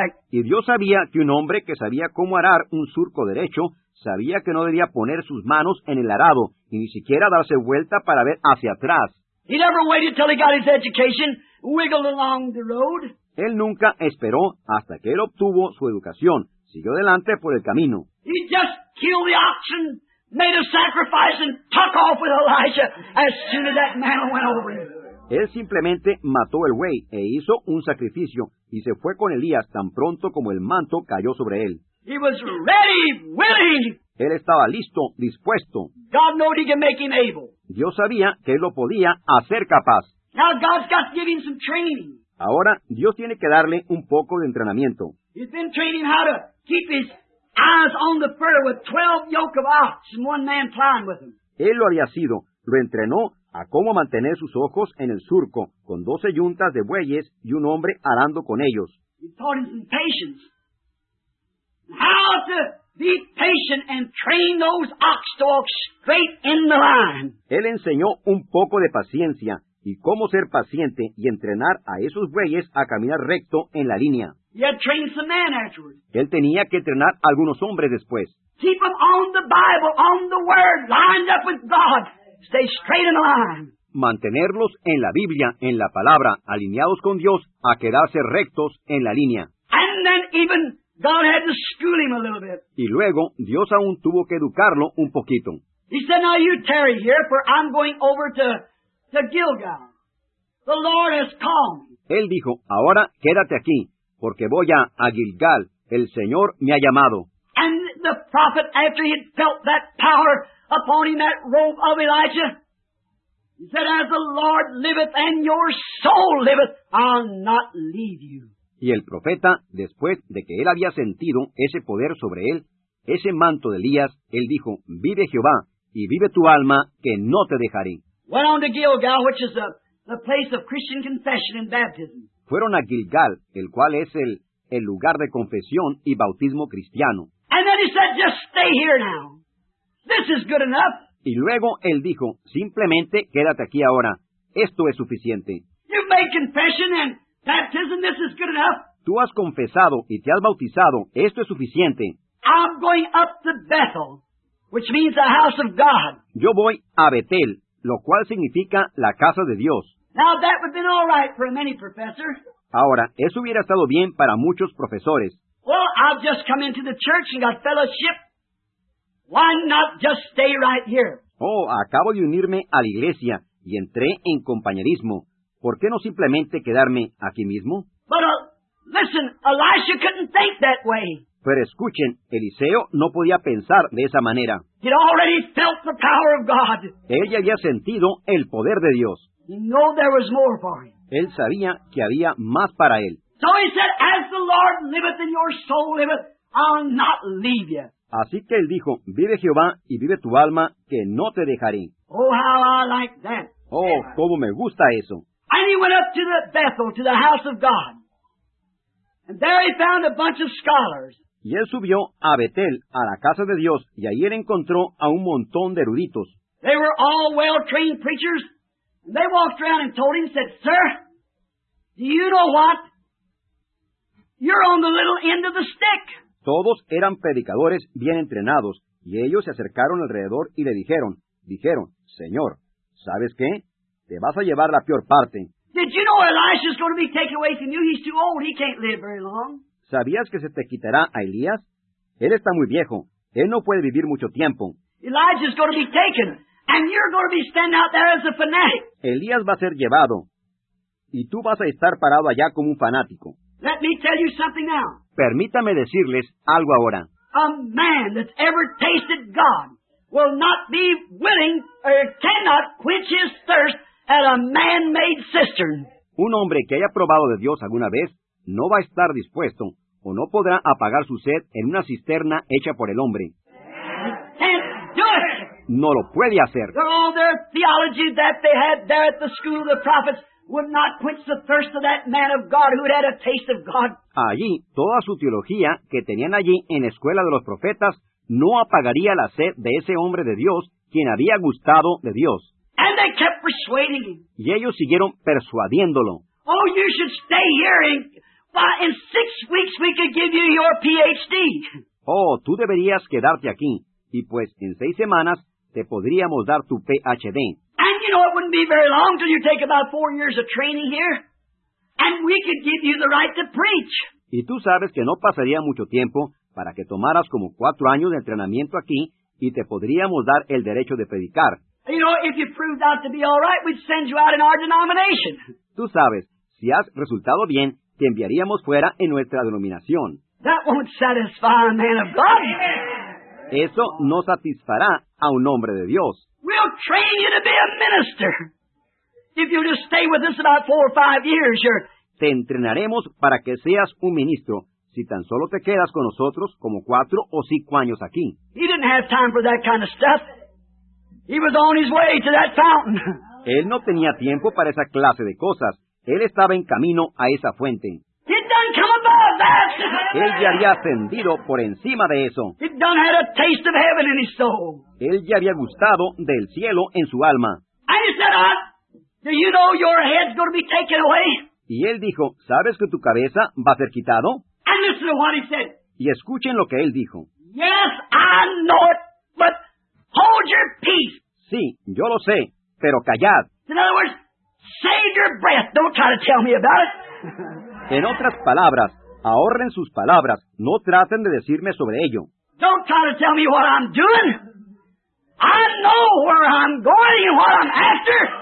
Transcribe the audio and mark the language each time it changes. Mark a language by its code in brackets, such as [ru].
[es] Y Dios sabía que un hombre que sabía cómo arar un surco derecho, sabía que no debía poner sus manos en el arado, y ni siquiera darse vuelta para ver hacia atrás. [en] He never waited till he got his education, wiggled along the road. [es] Él nunca esperó hasta que él obtuvo su educación. Siguió adelante por el camino. [en] He just killed the oxen, made a sacrifice, and took off with Elijah as soon as that man went over him. [es] Él simplemente mató el buey e hizo un sacrificio y se fue con Elías tan pronto como el manto cayó sobre él. [en] He was ready, willing. [es] Él estaba listo, dispuesto. [en] God knew he could make him able. [es] Dios sabía que él lo podía hacer capaz. [en] Now God's got to give him some training. [es] Ahora Dios tiene que darle un poco de entrenamiento. [en] He's been training how to keep his eyes on the furrow with 12 yoke of ox and one man plowing with him. [es] Él lo había sido. Lo entrenó a cómo mantener sus ojos en el surco con 12 yuntas de bueyes y un hombre arando con ellos. [en] He taught him some patience. How to be patient and train those ox to walk straight in the line. [es] Él enseñó un poco de paciencia y cómo ser paciente y entrenar a esos bueyes a caminar recto en la línea. [en] He had trained some men afterwards. [es] Él tenía que entrenar a algunos hombres después. [en] Keep them on the Bible, on the Word, lined up with God. Stay straight in the line. [es] Mantenerlos en la Biblia, en la palabra, alineados con Dios, a quedarse rectos en la línea. [en] And then even God had to school him a little bit. [es] Y luego, Dios aún tuvo que educarlo un poquito. [en] He said, now you tarry here, for I'm going over to Gilgal. The Lord has called me. [es] Él dijo, ahora quédate aquí, porque voy a Gilgal. El Señor me ha llamado. [en] And the prophet, after he had felt that power upon him, that robe of Elijah, he said, as the Lord liveth and your soul liveth, I'll not leave you. [es] Y el profeta, después de que él había sentido ese poder sobre él, ese manto de Elías, él dijo, vive Jehová, y vive tu alma, que no te dejaré. [en] Went on to Gilgal, which is a the place of Christian confession and baptism. [es] Fueron a Gilgal, el cual es el lugar de confesión y bautismo cristiano. [en] And then he said, just stay here now. This is good enough. [es] Y luego él dijo, simplemente quédate aquí ahora. Esto es suficiente. [en] You've made confession and baptism. This is good enough. [es] Tú has confesado y te has bautizado. Esto es suficiente. [en] I'm going up to Bethel, which means the house of God. [es] Yo voy a Betel, lo cual significa la casa de Dios. [en] Now that would have been all right for many professors. [es] Ahora, eso hubiera estado bien para muchos profesores. [en] Well, I've just come into the church and got fellowship. Why not just stay right here? [es] Oh, acabo de unirme a la iglesia y entré en compañerismo. ¿Por qué no simplemente quedarme aquí mismo? [en] But listen, Elisha couldn't think that way. [es] Pero escuchen, Eliseo no podía pensar de esa manera. [en] He'd already felt the power of God. [es] Él ya había sentido el poder de Dios. [en] He knew there was more for him. [es] Él sabía que había más para él. [en] So he said, as the Lord liveth and your soul liveth, I'll not leave you. [es] Así que él dijo, vive Jehová y vive tu alma, que no te dejaré. [en] Oh, how I like that. [es] Oh, cómo me gusta eso. [en] And he went up to the Bethel, to the house of God. And there he found a bunch of scholars. [es] Y él subió a Betel, a la casa de Dios, y ahí él encontró a un montón de eruditos. [en] They were all well-trained preachers. And they walked around and told him, said, sir, do you know what? You're on the little end of the stick. [es] Todos eran predicadores bien entrenados, y ellos se acercaron alrededor y le dijeron, Señor, ¿sabes qué? Te vas a llevar la peor parte. [en] Did you know Elisha's going to be taken away from you? He's too old. He can't live very long. [es] ¿Sabías que se te quitará a Elías? Él está muy viejo. Él no puede vivir mucho tiempo. [en] Elijah's going to be taken, and you're going to be standing out there as a fanatic. [es] Elías va a ser llevado, y tú vas a estar parado allá como un fanático. [en] Let me tell you something now. [es] Permítame decirles algo ahora. [en] A man that's ever tasted God will not be willing or cannot quench his thirst at a man-made cistern. [es] Un hombre que haya probado de Dios alguna vez no va a estar dispuesto o no podrá apagar su sed en una cisterna hecha por el hombre. [en] He can't do it. [es] No lo puede hacer. [en] All their theology that they had there at the school of the prophets would not quench the thirst of that man of God who had had a taste of God. [es] Allí, toda su teología que tenían allí en la escuela de los profetas no apagaría la sed de ese hombre de Dios quien había gustado de Dios. [en] And they kept persuading him. [es] Y ellos siguieron persuadiéndolo. [en] Oh, you should stay here and in 6 weeks we could give you your PhD. [es] Oh, tú deberías quedarte aquí. Y pues en 6 semanas te podríamos dar tu PhD. [en] And you know it wouldn't be very long till you take about 4 years of training here. And we could give you the right to preach. [es] Y tú sabes que no pasaría mucho tiempo para que tomaras como 4 años de entrenamiento aquí y te podríamos dar el derecho de predicar. [en] You know, if you proved out to be all right, we'd send you out in our denomination. [es] Tú sabes, si has resultado bien, te enviaríamos fuera en nuestra denominación. [en] That won't satisfy a man of God. [es] Eso no satisfará a un hombre de Dios. [en] We'll train you to be a minister. If you'll just stay with us about 4 or 5 years, you're... [es] Te entrenaremos para que seas un ministro, si tan solo te quedas con nosotros como 4 o 5 años aquí. [en] He didn't have time for that kind of stuff. He was on his way to that fountain. [es] Él no tenía tiempo para esa clase de cosas. Él estaba en camino a esa fuente. [en] He'd done come above that. [es] Él ya había ascendido por encima de eso. [en] He'd done had a taste of heaven in his soul. [es] Él ya había gustado del cielo en su alma. [en] And he said, do you know your head's going to be taken away? [es] Y él dijo, ¿sabes que tu cabeza va a ser quitado? [en] And listen to what he said. [es] Y escuchen lo que él dijo. [en] Yes, I know it, but hold your peace. [es] Sí, yo lo sé, pero callad. [en] In other words, save your breath. Don't try to tell me about it. [es] En otras palabras, ahorren sus palabras. No traten de decirme sobre ello. [en] Don't try to tell me what I'm doing. I know where I'm going and what I'm after.